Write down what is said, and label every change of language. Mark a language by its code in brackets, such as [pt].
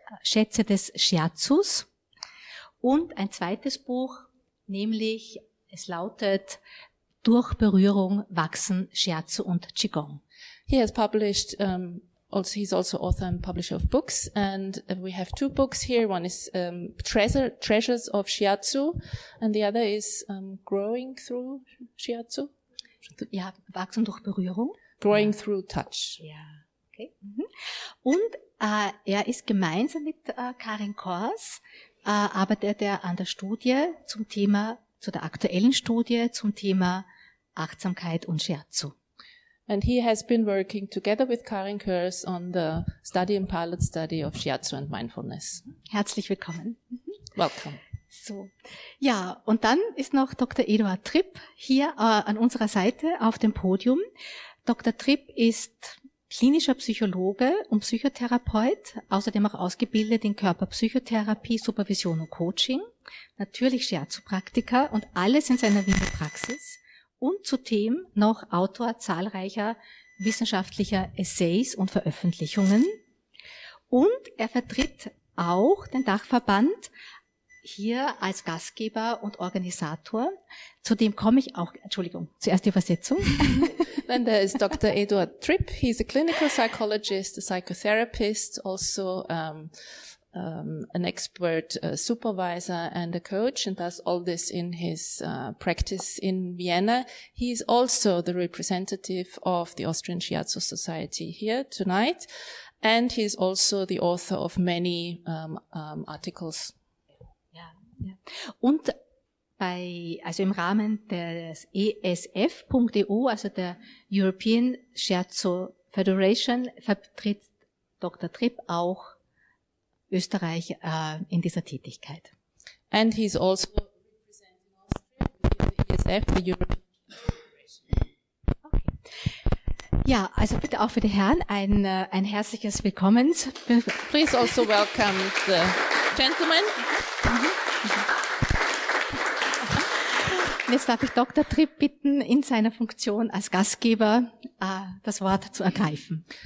[de] Schätze des Shiatsus und ein zweites Buch, nämlich es lautet Durch Berührung wachsen Shiatsu und Qigong. [en] He has published he's also author and publisher of books, and we have two books here. One is Treasures of Shiatsu and the other is Growing Through Shiatsu. [de] Ja, wachsen durch Berührung. [en] Growing through touch. Ja. Okay. [de] Und er ist gemeinsam mit Karin Kors, arbeitet er an der Studie zum Thema, zu der aktuellen Studie zum Thema Achtsamkeit und Shiatsu. [en] And he has been working together with Karin Kors on the study and pilot study of Shiatsu and Mindfulness. [de] Herzlich willkommen. [en] Welcome. [de] So, ja, und dann ist noch Dr. Eduard Tripp hier an unserer Seite auf dem Podium. Dr. Tripp ist klinischer Psychologe und Psychotherapeut, außerdem auch ausgebildet in Körperpsychotherapie, Supervision und Coaching, natürlich Shiatsu-Praktiker und alles in seiner Wiener Praxis und zudem noch Autor zahlreicher wissenschaftlicher Essays und Veröffentlichungen. Und er vertritt auch den Dachverband hier als Gastgeber und Organisator. Zudem komme ich auch, Entschuldigung, zuerst die Übersetzung. [en] Then there is Dr. Eduard Tripp. He's a clinical psychologist, a psychotherapist, also an expert supervisor and a coach, and does all this in his practice in Vienna. He's also the representative of the Austrian Shiatsu Society here tonight, and he's also the author of many articles. [de] Yeah. Und bei, also im Rahmen des ESF.eu, also der European Shiatsu Federation, vertritt Dr. Tripp auch Österreich in dieser Tätigkeit. [en] And he's also representing Austria, the ESF, the European Federation. Okay. [de] Ja, also bitte auch für die Herren ein herzliches Willkommen. [en] Please also welcome the gentlemen. [de] Jetzt darf ich Dr. Tripp bitten, in seiner Funktion als Gastgeber das Wort zu ergreifen.